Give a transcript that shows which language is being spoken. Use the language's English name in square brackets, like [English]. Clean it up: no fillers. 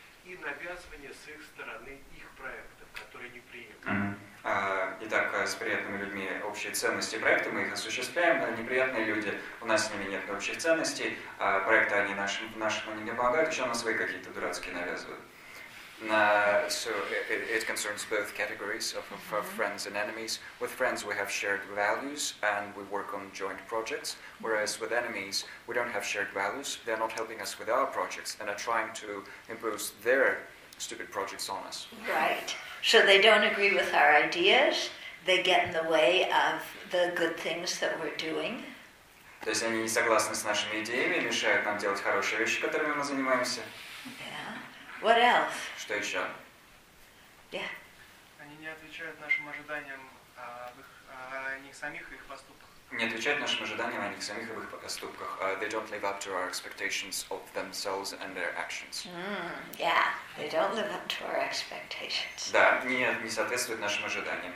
[Russian] и навязывание с их стороны их проектов, которые не приемлемы. Итак, с приятными людьми общие ценности проекта, мы их осуществляем, но неприятные люди, у нас с ними нет общих ценностей, а проекты они нашим, они не помогают, еще на свои какие-то дурацкие навязывают. [English] So it concerns both categories of friends and enemies. With friends, we have shared values and we work on joint projects. Whereas with enemies, we don't have shared values. They're not helping us with our projects and are trying to impose their stupid projects on us. Right. So they don't agree with our ideas. They get in the way of the good things that we're doing. [Russian] То есть они не согласны с нашими идеями, мешают нам делать хорошие вещи, которыми мы занимаемся. [English] What else? [Russian] Что еще? [English] Yeah. [Russian] Они не отвечают нашим ожиданиям о них самих и их поступках. Не отвечают нашим ожиданиям о них самих и их поступках. [English] They don't live up to our expectations of themselves and their actions. Yeah, they don't live up to our expectations. [Russian] Да, не соответствуют нашим ожиданиям.